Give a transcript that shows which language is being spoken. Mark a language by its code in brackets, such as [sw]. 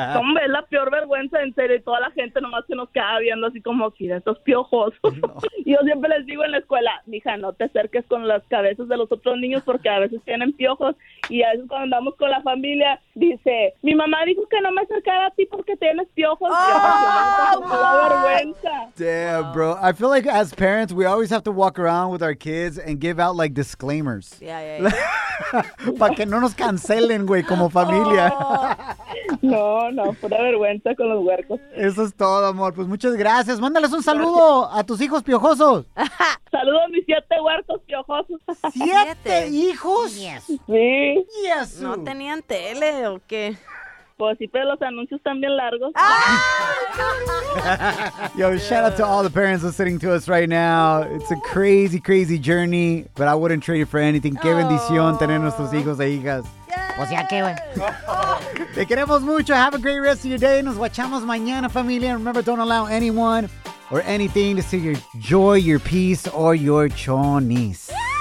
[es] Hombre, es la peor vergüenza, en serio, y toda la gente nomás se nos queda viendo así como, mira, estos piojos. No. Yo siempre les digo en la escuela, mija, no te acerques con las cabezas de los otros niños porque a veces tienen piojos. Y a veces cuando andamos con la familia, dice, mi mamá dijo que no me acercara a ti porque tienes piojos. Oh, la vergüenza. [en] Damn, bro. I feel like as parents, we always have to walk around with our kids and give out like disclaimers. Yeah. [es] Para que no nos cancelen, güey, como familia. No, pura vergüenza con los huercos. Eso es todo, amor. Pues muchas gracias. Mándales un saludo a tus hijos piojosos. Saludo a mis 7 huercos piojosos. ¿7 hijos? [en] Yes. [es] Sí. [en] Yes. [es] ¿No tenían tele o qué? Pues sí, pero los anuncios están bien largos. [en] Yo, shout out to all the parents listening to us right now. It's a crazy, crazy journey, but I wouldn't trade it for anything. [es] Qué bendición tener nuestros hijos e hijas. O sea, qué bueno. Te queremos mucho. [en] Have a great rest of your day. [es] Nos guachamos mañana, familia. [en] Remember, don't allow anyone or anything to steal your joy, your peace, or your chonis.